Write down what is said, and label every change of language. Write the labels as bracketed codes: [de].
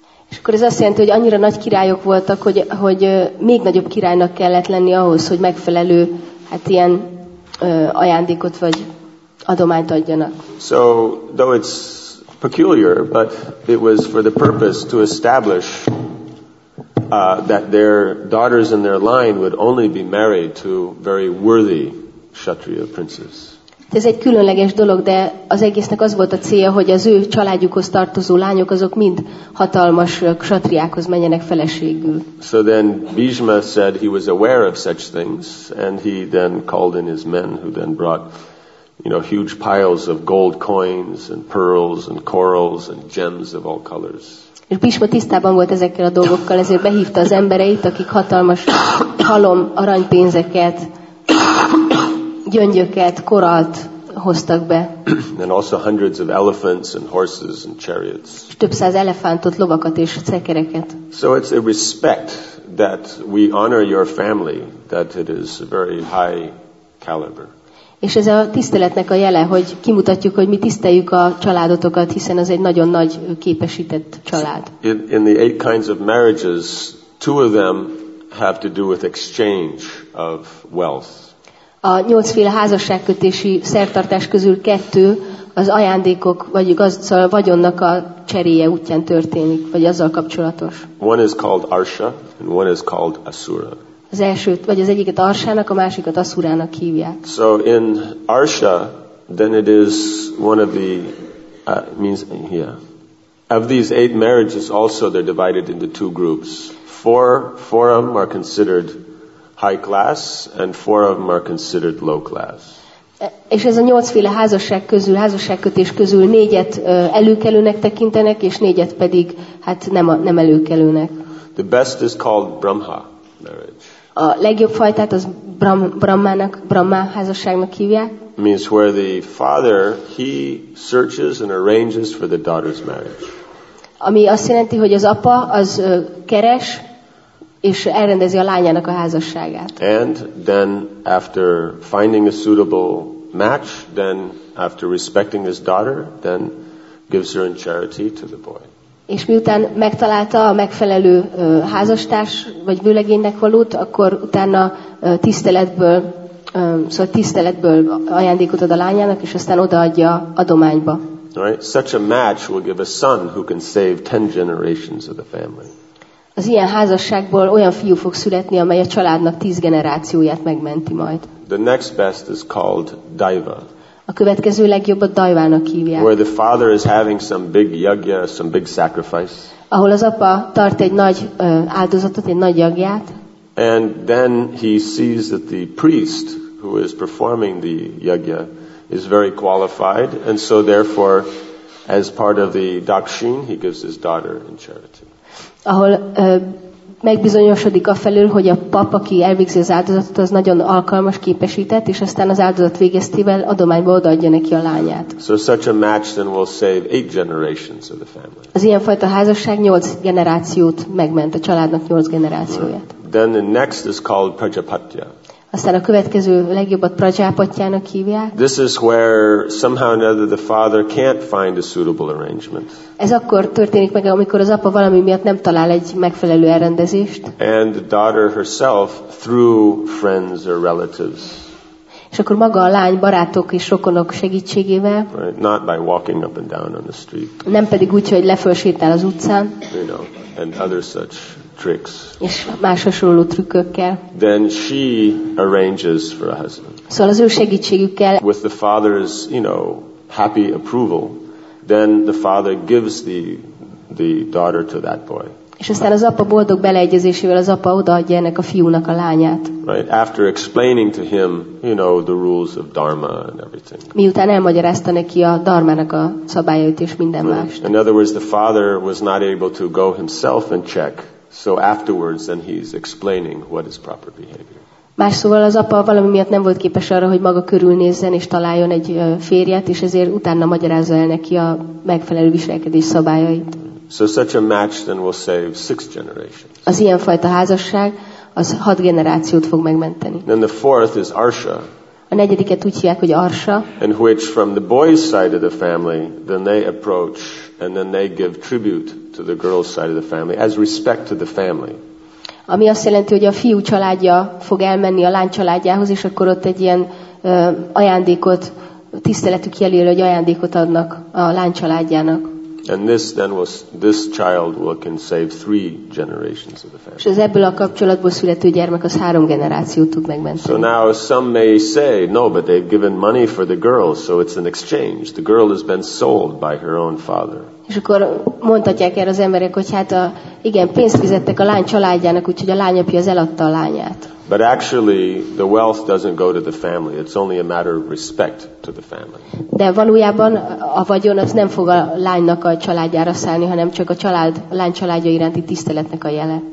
[hu] És akkor ez azt jelenti, hogy annyira nagy királyok voltak, hogy, hogy még nagyobb királynak kellett lenni ahhoz, hogy megfelelő, hát ilyen ajándékot vagy adományt adjanak. [en] So, though it's peculiar, but it was for the purpose to establish that their daughters in their line would only be married to very worthy Kshatriya princes. [hu] Ez egy különleges dolog, de az egésznek az volt a célja, hogy az ő családjukhoz tartozó lányok azok mind hatalmas ksatriákhoz menjenek feleségül. [en] So then Bhishma said he was aware of such things, and he then called in his men, who then brought, you know, huge piles of gold coins and pearls and corals and gems of all colors. [hu] És Bhishma tisztában volt ezekkel a dolgokkal, ezért behívta az embereit, akik hatalmas halom aranypénzeket, gyöngyöket, koralt hoztak be. [en] And also hundreds of elephants and horses and chariots. [hu] És több száz elefántot, lovakat és szekereket. [en] So it's a respect that we honor your family, that it is very high caliber. [hu] És ez a tiszteletnek a jele, hogy kimutatjuk, hogy mi tiszteljük a családotokat, hiszen az egy nagyon nagy képesített család. [en] In the eight kinds of marriages, two of them have to do with exchange of wealth. [hu] A nyolcféle házasságkötési szertartás közül kettő az ajándékok, vagy szóval vagyonnak a cseréje útján történik, vagy azzal kapcsolatos. [en] One is called Arsha, and one is called Asura. [hu] Az elsőt, vagy az egyiket Arsának, a másikat Asurának hívják. [en] So in Arsha, then it is one of the means here. Yeah. Of these eight marriages, also they're divided into two groups. Four of them are considered high class, and four of them are considered low class. [hu] És ez a nyolcféle házasság közül, házasságkötés közül négyet előkelőnek tekintenek, és négyet pedig hát nem előkelőnek. [en] The best is called Brahma marriage. [hu] A legjobb fajtát az Brahma házasságnak hívják. [en] Means where the father, he searches and arranges for the daughter's marriage. [hu] Ami azt jelenti, hogy az apa az keres és elrendezi a lányának a házasságát. [en] And then after finding a suitable match, then after respecting his daughter, then gives her in charity to the boy. [hu] És miután megtalálta a megfelelő házastárs vagy vőlegénynek valót, akkor utána tiszteletből ajándékot ad a lányának, és aztán odaadja adományba. [en] Right? Such a match will give a son who can save 10 generations of the family. [hu] Az ilyen házasságból olyan fiú fog születni, amely a családnak 10 generációját megmenti majd. [en] The next best is called Daiva. [hu] A következő legjobb a Daivának hívják. [en] Where the father is having some big yagya, some big sacrifice. [hu] Ahol az apa tart egy nagy áldozatot, egy nagy yagyát. [en] And then he sees that the priest who is performing the yagya is very qualified, and so therefore, as part of the dakshin, he gives his daughter in charity. [hu] Ahol megbizonyosodik a felül, hogy a pap, aki elvégzi az áldozatot, az nagyon alkalmas, képesített, és aztán az áldozat végeztével adományba odaadja neki a lányát. [en] So such a match then will save 8 generations of the family. [hu] Az ilyenfajta házasság 8 generációt megment, a családnak 8 generációját. [en] Then the next is called Prajapatya. [hu] Aztán a következő legjobbat Prajápatjának hívják. [en] This is where somehow or another the father can't find a suitable arrangement. [hu] Ez akkor történik meg, amikor az apa valami miatt nem talál egy megfelelő elrendezést. [en] And the daughter herself through friends or relatives. [hu] És akkor maga a lány barátok és rokonok segítségével. [en] Right, not by walking up and down on the street. [hu] Nem pedig úgy, hogy lefölsétál az utcán. [en] You know, and other such tricks. [hu] És más hasonló trükkökkel. [en] Then she arranges for a husband. [hu] Szóval az ő segítségükkel. [en] With the father's, you know, happy approval, then the father gives the daughter to that boy. [hu] És aztán az apa boldog beleegyezésével az apa odaadja ennek a fiúnak a lányát. [en] Right, after explaining to him, you know, the rules of dharma and everything. [hu] Miután elmagyarázta neki a dharmának a szabályait és minden mást. [en] In other words, the father was not able to go himself and check. So afterwards, then he's explaining what is proper behavior. [hu] Más szóval az apa valami miatt nem volt képes arra, hogy maga körülnézzen és találjon egy férjet, és ezért utána magyarázza el neki a megfelelő viselkedés szabályait. [en] So such a match then will save 6 generations. [hu] Az ilyen fajta házasság az 6 generációt fog megmenteni. [en] Then the fourth is Arsha. [hu] A negyediket úgy hívják, hogy Arsha. [en] And which from the boy's side of the family, then they approach and then they give tribute to the girl's side of the family as respect to the family. [hu] Ami azt jelenti, hogy a fiú családja fog elmenni a lány családjához, és akkor ott egy ilyen ajándékot, tiszteletük jelül, hogy ajándékot adnak a lány családjának. [en] And this then was this child will can save 3 generations of the family. [hu] És az ebből a kapcsolatból születő gyermek az 3 generációt tud megmenteni. [en] So now some may say, no, but they've given money for the girl, so it's an exchange. The girl has been sold by her own father. [hu] És akkor mondhatják erre az emberek, hogy hát igen, pénzt fizettek a lány családjának, úgyhogy a lányapja az eladta a lányát. [en] But actually the wealth doesn't go to the family, it's only a matter of respect to the family. [hu] De valójában a vagyon az nem fog a lánynak a családjára szállni, hanem csak a család a lány családja iránti tiszteletnek a jele.